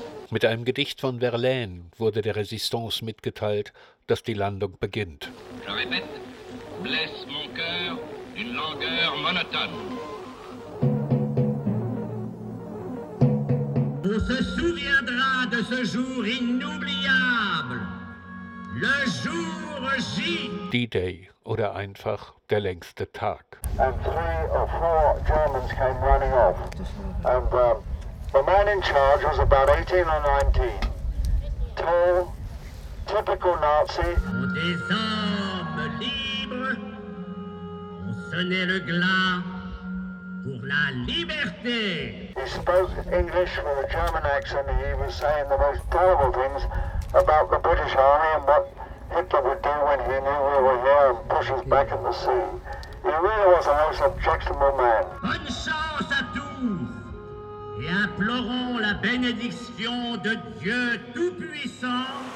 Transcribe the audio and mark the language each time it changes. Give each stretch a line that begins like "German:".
German: Mit einem Gedicht von Verlaine wurde der Résistance mitgeteilt, dass die Landung beginnt.
French: Je répète, blesse mon cœur d'une langueur monotone. On se souviendra de ce jour inoubliable. Le jour J.
German: D-Day oder einfach der längste Tag.
English: And three or four Germans came running off. And the man in charge was about 18 or 19. Tall, typical Nazi.
French: Pour des hommes libres, on sonnait le glas pour la liberté.
English: He spoke English with a German accent and he was saying the most terrible things about the British Army and what Hitler would do when he knew we were here and push us back in the sea. He really was a most objectionable man.
French: Bonne chance à tous et implorons la bénédiction de Dieu Tout-Puissant.